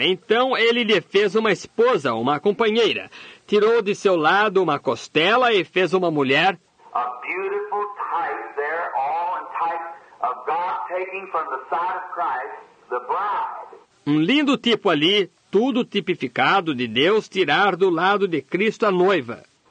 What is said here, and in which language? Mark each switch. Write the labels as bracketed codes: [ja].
[pt] Então ele lhe fez uma esposa, uma companheira. Tirou de seu lado uma costela e fez uma mulher. [en] A beautiful type there, all in type of God taking from the side of Christ, the bride. [pt] Um lindo tipo ali, tudo tipificado de Deus tirar do lado de Cristo a noiva.